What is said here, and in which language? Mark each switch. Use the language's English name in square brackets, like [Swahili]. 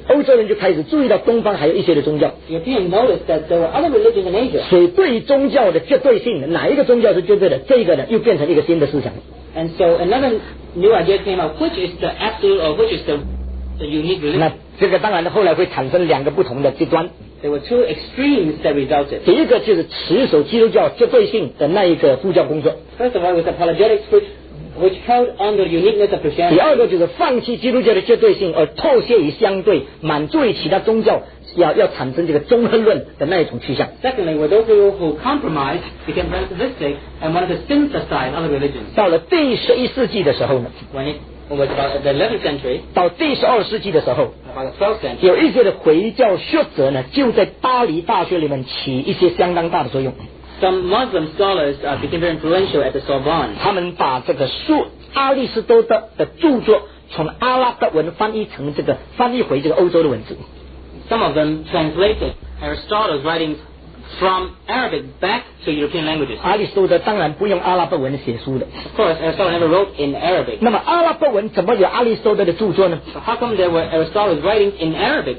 [Chinese] 欧洲人就开始注意到东方还有一些的宗教。 [English] European noticed that there were other religions in Asia. [Chinese] 所以对宗教的绝对性，哪一个宗教是绝对的？这个呢，又变成一个新的思想。 [English] And so another new idea came up, which is the absolute or which is the unique religion. [Chinese] 那这个当然后来会产生两个不同的极端。 [English] There were two extremes that resulted. [Chinese] 第一个就是持守基督教绝对性的那一个副教工作。 [English] First of all, it was apologetics, which held on the uniqueness of Christianity. [Chinese] 第二个就是放弃基督教的绝对性，而透泄于相对，满足于其他宗教，要产生这个综合论的那一种趋向。 [English] Secondly, were those people who compromised became relativistic and wanted to synthesize other religions. [Chinese] 到了第十一世纪的时候呢 [English] When it was about the 11th century, [Chinese] 到第十二世纪的时候 [English] about the 12th century, [Chinese] 有一些的回教学者呢，就在巴黎大学里面起一些相当大的作用。 [English] Some Muslim scholars became very influential at the Sorbonne. [Chinese] 他们把这个书阿里士多德的著作从阿拉伯文翻译回这个欧洲的文字。 [English] Some of them translated Aristotle's writings from Arabic back to European languages. [Chinese] 阿里士多德当然不用阿拉伯文写书的。 [English] Of course, Aristotle never wrote in Arabic. [Chinese] 那么阿拉伯文怎么有阿里士多德的著作呢 [English] ？How come there were Aristotle's writings in Arabic?